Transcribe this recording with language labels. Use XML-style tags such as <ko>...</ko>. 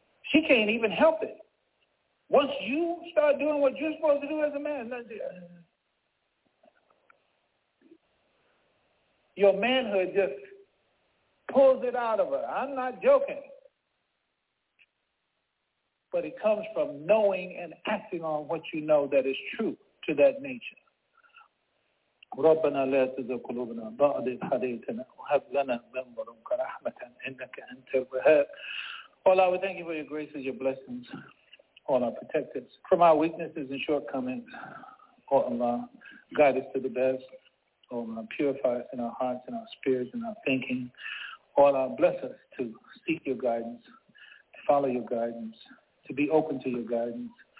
<en>She can't even help it. Once you start doing what you're supposed to do as a man, your manhood just pulls it out of her. I'm not joking. But it comes from knowing and acting on what you know that is true to that nature.</en> <ar>ربنا لا تزغ قلوبنا بعد إذ هديتنا وهب لنا من لدنك رحمة إنك أنت الوهاب.</ar> <en>Allah, we thank you for your graces, your blessings. Allah, protect us from our weaknesses and shortcomings. Allah, guide us to the best. Allah, purify us in our hearts and our spirits and our thinking. Allah, bless us to seek your guidance, to follow your guidance, to be open to your guidance.</en>